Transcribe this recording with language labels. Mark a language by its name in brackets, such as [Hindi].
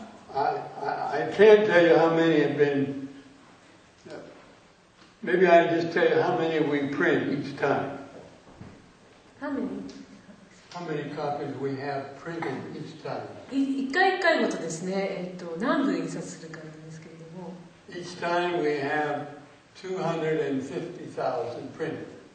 [English] I can't tell you how many have been. Maybe I just tell you how many we print each time. How many? How many copies we have printed each time? [Japanese] 一回一回ごとですね、何部印刷するかなんですけれども。 [English] Each time we have 250,000 printed.